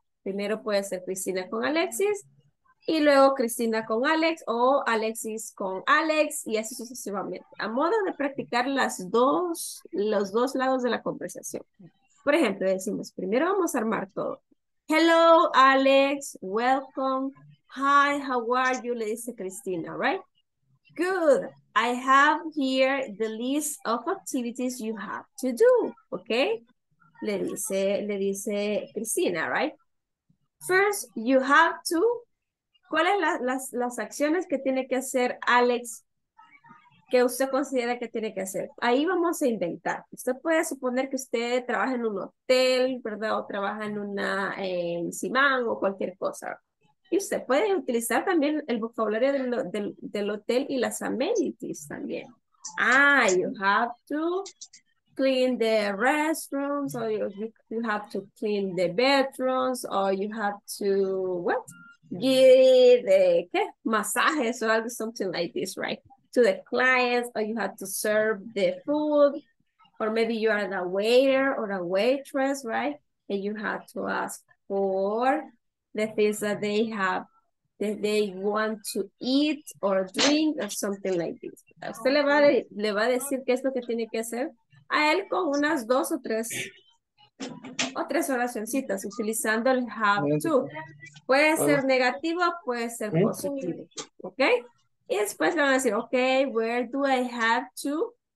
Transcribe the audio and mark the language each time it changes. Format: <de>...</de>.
<es>Primero puede ser Cristina con Alexis. Y luego Cristina con Alex o Alexis con Alex y así sucesivamente. A modo de practicar los dos lados de la conversación. Por ejemplo, decimos, primero vamos a armar todo.</es> <en>Hello, Alex. Welcome. Hi, how are you?</en> <es>Le dice</es> <en>Cristina, right? Good. I have here the list of activities you have to do. Okay?</en> <es>Le dice</es> <en>Cristina, right? First, you have to...</en> <es>¿Cuáles son las acciones que tiene que hacer Alex que usted considera que tiene que hacer? Ahí vamos a inventar. Usted puede suponer que usted trabaja en un hotel, ¿verdad? O trabaja en una en Simán o cualquier cosa. Y usted puede utilizar también el vocabulario del hotel y las amenities también.</es> <en>Ah, you have to clean the restrooms, or you have to clean the bedrooms, or you have to... what? Give the massages or something like this, right? To the clients, or you have to serve the food, or maybe you are a waiter or a waitress, right? And you have to ask for the things that they have, that they want to eat or drink or something like this.</en> <es>Usted le va a decir qué es lo que tiene que hacer a él con unas dos o tres. Otras oracioncitas utilizando el have to. Puede ser negativo, puede ser positivo. Ok. Y después le van a decir, ok,</es> <en>where do I have to?</en>